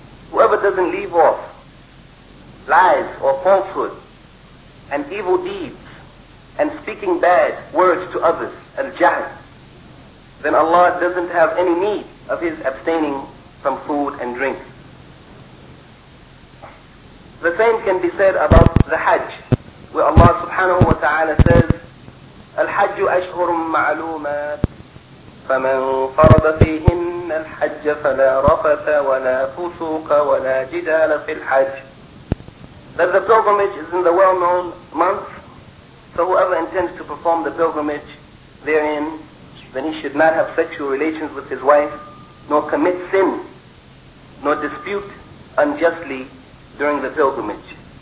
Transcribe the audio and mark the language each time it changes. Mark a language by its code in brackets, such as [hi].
[en] Whoever doesn't leave off lies or falsehood and evil deeds and speaking bad words to others, al-jahl, then Allah doesn't have any need of his abstaining from food and drink. The same can be said about the Hajj, where Allah subhanahu wa ta'ala says, [ar] الحج أشهر معلومات فمن فرض فيهن الحج فلا رفث ولا فسوق ولا جدال في الحج. [en] That the pilgrimage is in the well-known month, so whoever intends to perform the pilgrimage therein, then he should not have sexual relations with his wife, nor commit sin, nor dispute unjustly during the pilgrimage.